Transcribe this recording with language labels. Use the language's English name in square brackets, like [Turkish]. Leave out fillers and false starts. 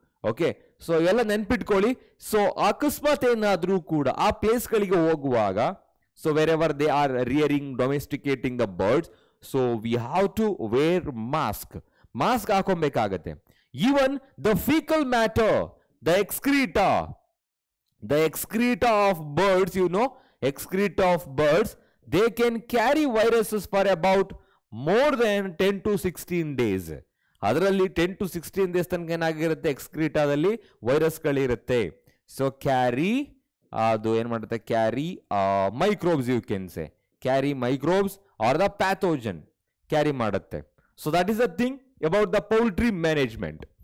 [Kannada] Okay, so ಇವೆಲ್ಲ ನೆನ್ಪಿಟ್ಕೊಳ್ಳಿ. So ಅಕಸ್ಮಾತ್ ಏನಾದ್ರೂ ಕೂಡ ಆ ಪ್ಲೇಸ್ ಗಳಿಗೆ ಹೋಗುವಾಗ, [English] so wherever they are rearing domesticating the birds, so we have to wear mask, [Kannada] mask ಹಾಕೊಬೇಕಾಗತ್ತೆ. [English] Even the fecal matter, the excreta, the excreta of birds, you know excreta of birds, they can carry viruses for about more than 10 to 16 days. [Kannada] ಅದರಲ್ಲಿ 10 to 16 Des ತನಕ ಏನಾಗಿರುತ್ತೆ, ಎಕ್ಸ್ಕ್ರೀಟಾದಲ್ಲಿ ವೈರಸ್ಗಳಿರುತ್ತೆ. So carry ಅದು ಏನ್ ಮಾಡುತ್ತೆ, carry microbes, [English] you can say [Kannada] carry microbes are the pathogen carry ಮಾಡುತ್ತೆ. [English] So that is the thing about the poultry management.